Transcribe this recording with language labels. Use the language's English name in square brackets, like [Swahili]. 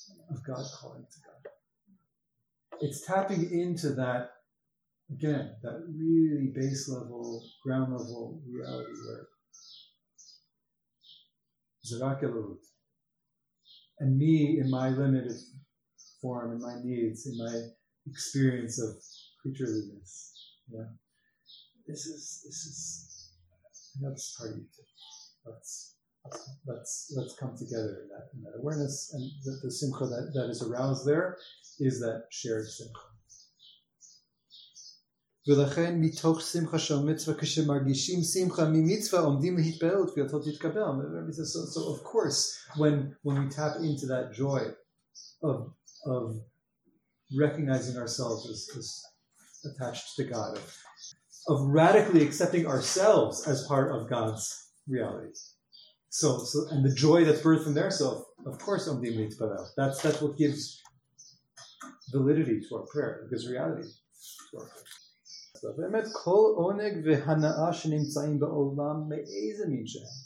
[English] Of God calling to God. It's tapping into that, again, that really base level, ground level reality where Zerak Elohut, and me in my limited form, in my needs, in my experience of creatureliness. Yeah. This is I know this part of you too. Let's come together in that awareness, and the simcha that is aroused there is that shared simcha. [Hebrew] ולכן מתוך שמחה של מצווה כשמרגישים שמחה ממצווה עומדים להתפלל ותפילתו תתקבל. [English] So of course when we tap into that joy of recognizing ourselves as attached to God, of radically accepting ourselves as part of God's reality. So and the joy that's birthed from there, so of course omdim leitpalel. That's what gives validity to our prayer, gives reality to our prayer. [Hebrew] So באמת כל עונג והנאה שנמצאים בעולם מאיזה מין שהם.